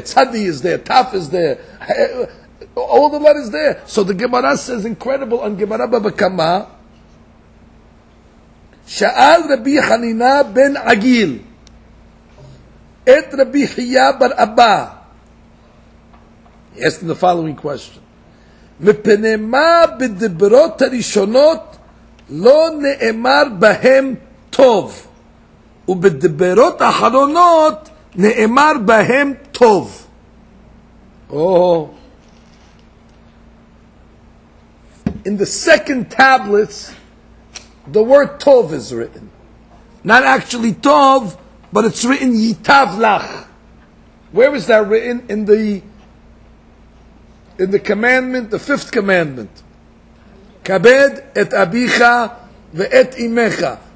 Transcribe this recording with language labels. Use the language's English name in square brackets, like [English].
[English] Tzadi is there. Taf is there. All the letters there. So the Gemara says, incredible, on Gemara Baba Kama, [Hebrew] Sha'al Rabbi Hanina ben Agil, et Rabbi Hiya bar Abba. [English] He asked him the following question. [Hebrew] מפני מה בדברות הראשונות לא נאמר בהם טוב ובדברות האחרונות נאמר בהם טוב. [English] Oh. In the second tablets, the word tov is written. Not actually tov, but it's written [Hebrew] yitav lach. [English] Where is that written? In the commandment, the fifth commandment. [Hebrew] Kabed et abicha ve et imecha.